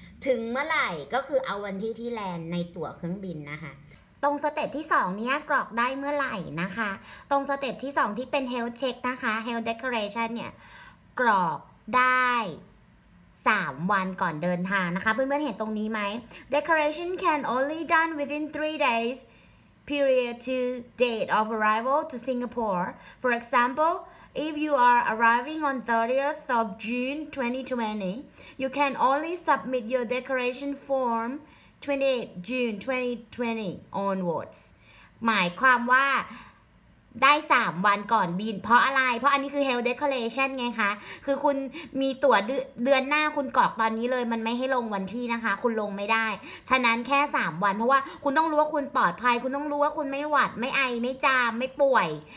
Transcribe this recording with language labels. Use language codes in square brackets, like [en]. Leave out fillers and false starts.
[th] ถึงเมื่อไหร่ก็คือเอาวันที่ที่แลนด์ในตั๋วเครื่องบินนะคะตรงสเต็ปที่2เนี้ยกรอกได้เมื่อไหร่นะคะตรงสเต็ปที่2ที่เป็น health check นะคะ health declaration เนี่ยกรอกได้3วันก่อนเดินทางนะคะเพื่อนๆเห็นตรงนี้ไหม [en] declaration can only done within 3 daysperiod to date of arrival to Singapore. For example, if you are arriving on 30th of June 2020, you can only submit your declaration form 28th June 2020 onwards. [th] หมายความว่าได้3วันก่อนบินเพราะอะไรเพราะอันนี้คือ health declaration ไงคะคือคุณมีตั๋วเดือนหน้าคุณกรอกตอนนี้เลยมันไม่ให้ลงวันที่นะคะคุณลงไม่ได้ฉะนั้นแค่3วันเพราะว่าคุณต้องรู้ว่าคุณปลอดภัยคุณต้องรู้ว่าคุณไม่หวัดไม่ไอไม่จามไม่ป่วย